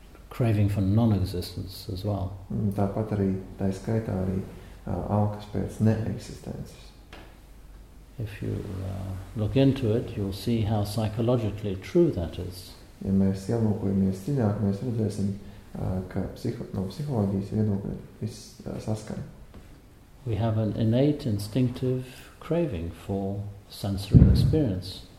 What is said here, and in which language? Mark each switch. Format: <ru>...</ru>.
<en>Craving for non-existence as well.</en> <lv>Tāpat arī, tā skaitā arī alkas pēc neeksistences.</lv> <en>If you look into it, you'll see how psychologically true that is.</en> <lv>Ja mēs ielūkojamies ciļāk, mēs redzēsim, ka no psiholoģijas viedokļa viss saskan.</lv> <en>We have an innate instinctive craving for sensory experience.</en>